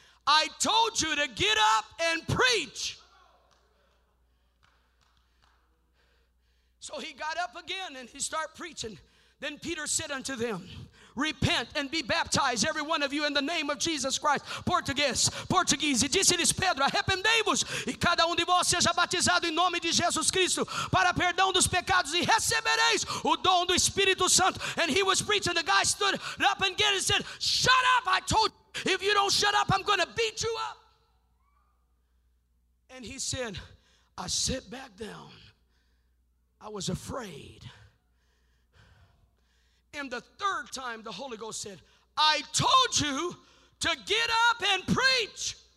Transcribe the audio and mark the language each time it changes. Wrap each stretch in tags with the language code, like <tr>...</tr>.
<en>I told you to get up and preach. So he got up again and he started preaching. Then Peter said unto them, repent and be baptized, every one of you, in the name of Jesus Christ. Portuguese.</en> <pt>Disse-lhes Pedro, arrependei-vos e cada um de vós seja batizado em nome de Jesus Cristo para perdão dos pecados e recebereis o dom do Espírito Santo.</pt> <en>And he was preaching. The guy stood up again and said, shut up. I told you, if you don't shut up, I'm going to beat you up. And he said, I sat back down. I was afraid. And the third time, the Holy Ghost said, I told you to get up and preach.</en>